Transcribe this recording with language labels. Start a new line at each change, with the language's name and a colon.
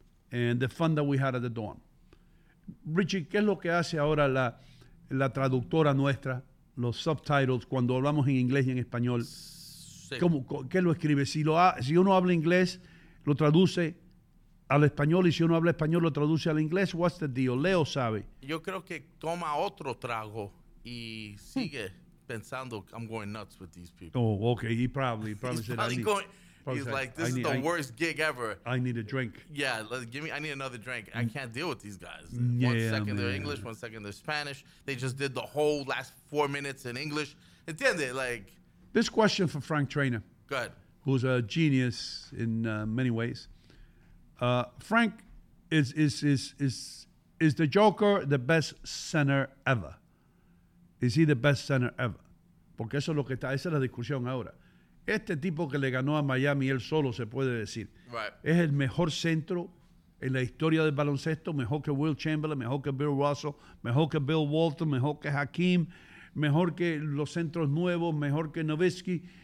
English: And the fun that we had at the dorm.
Spanish: Richie, ¿qué es lo que hace ahora la traductora nuestra, los subtitles, cuando hablamos en inglés y en español? Sí. ¿Qué lo escribe? Si uno habla inglés, lo traduce al español, y si uno habla español, lo traduce al inglés,
English: what's the deal?
Spanish: Leo sabe. Yo creo que toma otro trago y sigue pensando,
English: I'm going nuts with these people. Oh, okay, he probably he's said that. He's like, this is the worst gig ever. I need a drink. Yeah, I need another drink. I can't deal with these guys. One second, they're English. One second, they're Spanish. They just did the whole last 4 minutes in English.
Spanish: ¿Entiendes? Like,
English: this question for Frank Trainer. Go ahead. Who's a genius in many ways. Frank, is the Joker the best center ever? Is he the best center ever?
Spanish: Porque eso es lo que está, esa es la discusión ahora. Este tipo que le ganó a Miami, él solo se puede decir.
English: Right.
Spanish: Es el mejor centro en la historia del baloncesto, mejor que Will Chamberlain, mejor que Bill Russell, mejor que Bill Walton, mejor que Hakeem, mejor que los centros nuevos, mejor que Nowitzki.